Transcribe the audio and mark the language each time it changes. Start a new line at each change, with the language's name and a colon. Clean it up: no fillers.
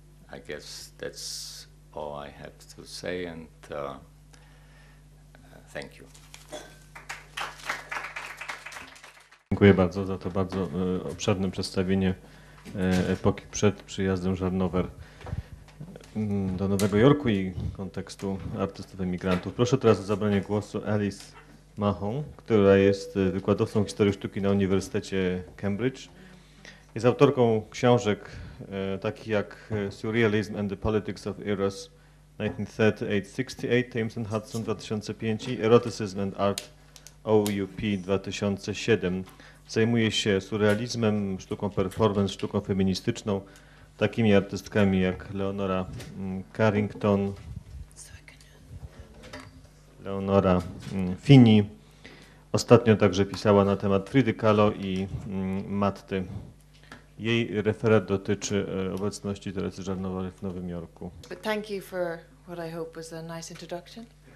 English: I guess that's all I have to say, and thank you.
Polish: Dziękuję bardzo za to bardzo obszerne przedstawienie epoki przed przyjazdem Żarnower do Nowego Jorku i kontekstu artystów emigrantów. Proszę teraz o zabranie głosu Alice Mahon, która jest wykładowcą historii sztuki na Uniwersytecie Cambridge. Jest autorką książek takich jak Surrealism and the Politics of Eras 1938-68, Thames and Hudson 2005 i Eroticism and Art OUP 2007. Zajmuje się surrealizmem, sztuką performance, sztuką feministyczną, takimi artystkami jak Leonora Carrington, Leonora Fini. Ostatnio także pisała na temat Frida Kahlo i Matty. Jej referat dotyczy obecności Teresy Żarnower w Nowym Jorku.
English: But thank you for what I hope was a nice introduction.